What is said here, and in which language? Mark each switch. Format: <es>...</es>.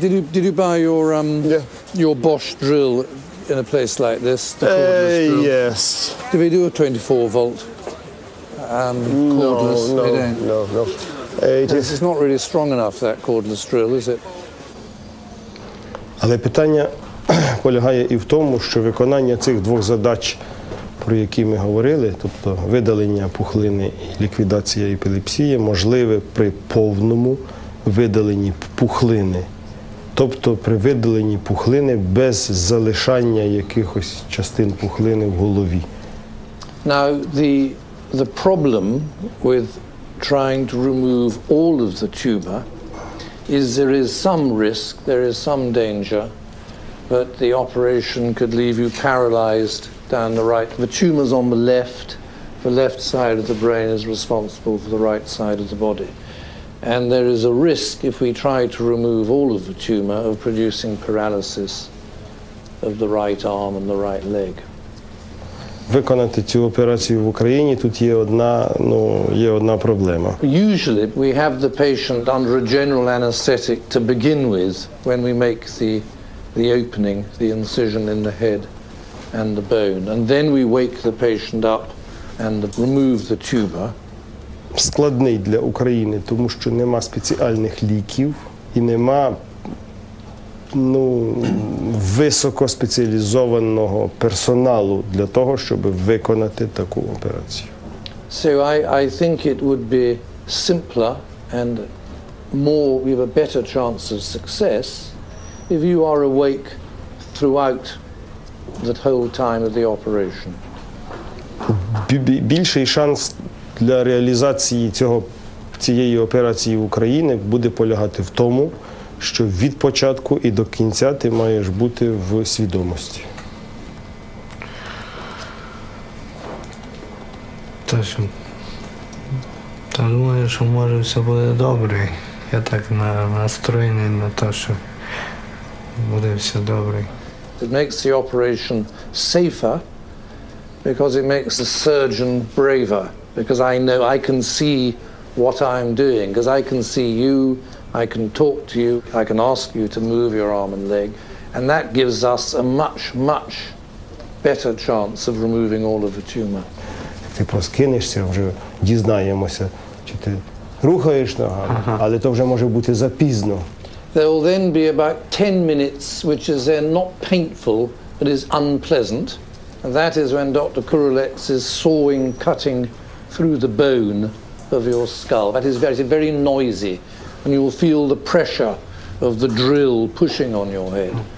<en>Did you buy your your Bosch drill in a place like this? Yes. Do they do a 24-volt cordless? No. It's not really strong enough, that cordless drill, is it?</en> <uk>Але питання полягає і в тому, що виконання цих двох задач, про які ми говорили, тобто видалення пухлини і ліквідація епілепсії, можливе при повному видаленні пухлини. Тобто при видаленні пухлини без залишання якихось частин пухлини в голові.</uk> <en>Now, the problem with trying to remove all of the tumor is there is some risk, there is some danger, but the operation could leave you paralyzed down the right. The tumor's on the left side of the brain is responsible for the right side of the body. And there is a risk, if we try to remove all of the tumor, of producing paralysis of the right arm and the right leg.</en> <uk>Виконати цю операцію в Україні, тут є одна проблема.</uk> <en>Usually we have the patient under a general anesthetic to begin with when we make the opening, the incision in the head and the bone. And then we wake the patient up and remove the tumor.</en> <uk>Складний для України, тому що нема спеціальних ліків і нема високоспеціалізованого персоналу для того, щоб виконати таку операцію.</uk> <en>So I think it would be simpler and more, we have a better chance of success if you are awake throughout the whole time of the operation.</en> <uk>Більший шанс для реалізації цієї операції в Україні буде полягати в тому, що від початку і до кінця ти маєш бути в свідомості. Та думаю, що може все буде добре. Я так настроєний на те, що буде все добре.</uk> <en>It makes the operation safer because it makes the surgeon braver. Because I know I can see what I'm doing, because I can see you, I can talk to you, I can ask you to move your arm and leg, and that gives us a much, much better chance of removing all of the tumor.</en> <uk>Ти поскинешся, вже дізнаємося, чи ти рухаєш ногами, але то вже може бути запізно.</uk> <en>There will then be about 10 minutes, which is then not painful, but is unpleasant. And that is when Dr. Kurulex is sawing, cutting through the bone of your skull. That is very, very noisy, and you will feel the pressure of the drill pushing on your head.</en>